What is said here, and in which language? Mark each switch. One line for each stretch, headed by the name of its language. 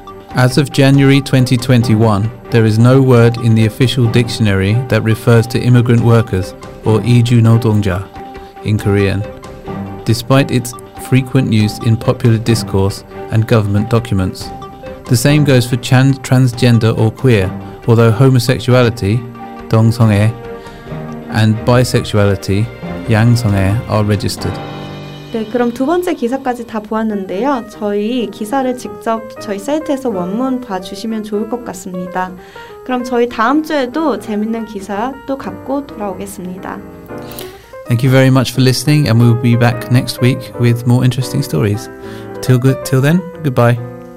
English: As of January 2021, there is no word in the official dictionary that refers to immigrant workers or 이주노동자 in Korean, despite its frequent use in popular discourse and government documents. The same goes for transgender or queer, although homosexuality, 동성애, and bisexuality, 양성애, are registered.
Korean: 네, 그럼 두 번째 기사까지 다 보았는데요. 저희 기사를 직접 저희 사이트에서 원문 봐주시면 좋을 것 같습니다. 그럼 저희 다음 주에도 재밌는 기사 또 갖고 돌아오겠습니다.
English: Thank you very much for listening, and we'll be back next week with more interesting stories. Till then, goodbye.